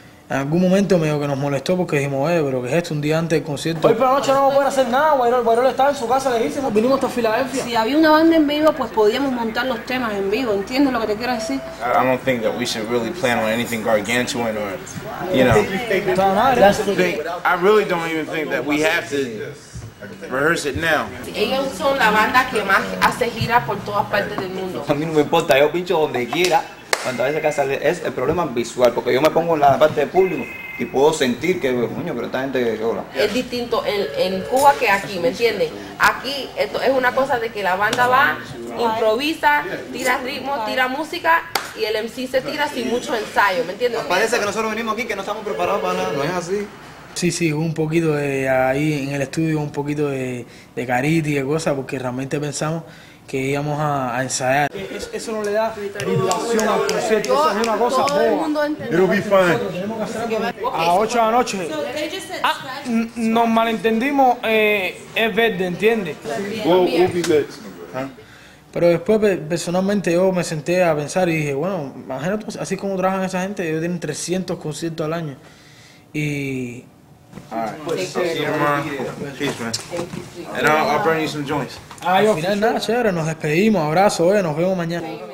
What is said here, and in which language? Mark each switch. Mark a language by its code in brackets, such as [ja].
[es] En algún momento medio que nos molestó porque dijimos, pero ¿qué es esto? Un día antes del concierto. Hoy por la noche no vamos a poder hacer nada, Guayrol está en su casa lejísimo, vinimos hasta Filadelfia. Si había una banda en vivo, pues podíamos montar los temas en vivo, ¿entiendes lo que te quiero decir? [en] I don't think that we should really plan on anything gargantuan or, you know. I really don't even think that we have to rehearse it now. [es] Ellos son la banda que más hace gira por todas partes del mundo. A mí no me importa, yo pincho donde quiera. Cuando a veces que sale es el problema visual, porque yo me pongo en la parte del público y puedo sentir que, coño, pero esta gente llora. Es distinto en Cuba que aquí, ¿me entiendes? Aquí esto es una cosa de que la banda va, improvisa, tira ritmo, tira música y el MC se tira sin mucho ensayo, ¿me entiendes? Parece que nosotros venimos aquí que no estamos preparados para nada, ¿no es así? Sí, un poquito de ahí en el estudio, un poquito de cariti y de cosas, porque realmente pensamos que íbamos a ensayar. Eso no le da vibración al concierto, eso es una cosa boba. [en] It'll be fine. [es] A 8 de la noche. Nos malentendimos, es verde, ¿entiendes? [en] We'll be good. [es] Pero después, personalmente, yo me senté a pensar y dije, bueno, imagínate, así como trabajan esa gente, ellos tienen 300 conciertos al año. Y... [en] All right. I'll see you tomorrow. Peace, man. And I'll bring you some joints. [es] Al final, nada, chévere. Nos despedimos. Abrazo, nos vemos mañana.